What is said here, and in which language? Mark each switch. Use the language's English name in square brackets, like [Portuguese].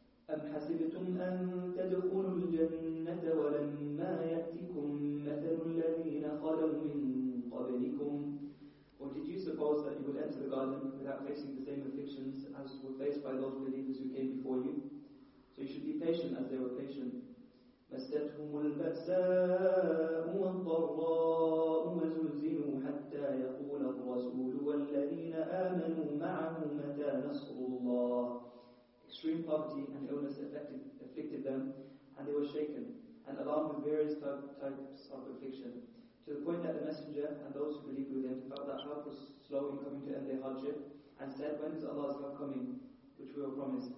[Arabic] أَمْ حَسِبْتُمْ أَن تَدْخُلُوا الْجَنَّةَ وَلَمَّا يَأْتِكُمْ مَثَلُ الَّذِينَ خَلَوْا مِن قَبْلِكُمْ. [English] Or did you suppose that you would enter the garden without facing the same afflictions as were faced by those believers who came before you? So you should be patient as they were patient. [Arabic] مستهم البأساء والضراء وزلزلوا حتى يقول الرسول والذين آمنوا معه متى نصر الله. [English] Extreme poverty and illness afflicted them, and they were shaken and alarmed with various types of affliction, to the point that the messenger and those who believed with him felt that help was slow in coming to end their hardship, and said, when is Allah's help coming, which we were promised?